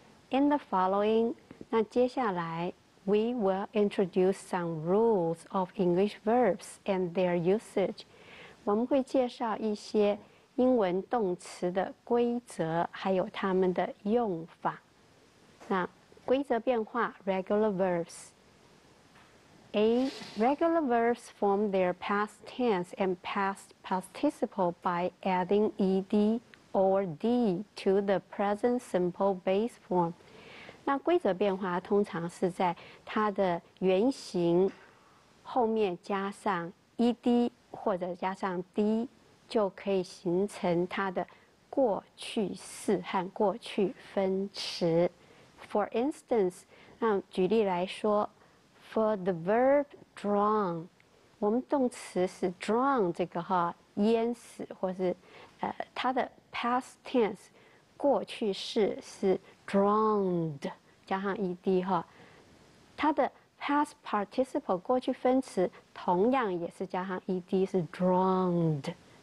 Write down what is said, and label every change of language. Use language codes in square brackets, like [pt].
[en] In the following, [zh] 那接下来 [en] we will introduce some rules of English verbs and their usage. [zh] 我们会介绍一些英文动词的规则，还有它们的用法。那规则变化 regular verbs. [en] A, regular verbs form their past tense and past participle by adding ed or d to the present simple base form. [zh] 那规则变化通常是在它的原型后面加上 ed 或者加上 d， 就可以形成它的过去式和过去分词。 [en] For instance， [zh] 那举例来说 ， [en] For the verb drawn， [zh] 我们动词是 drawn 这个哈，淹死或是它的 past tense 过去式是 drowned 加上 ed 哈，它的 past participle 过去分词同样也是加上 ed 是 drowned。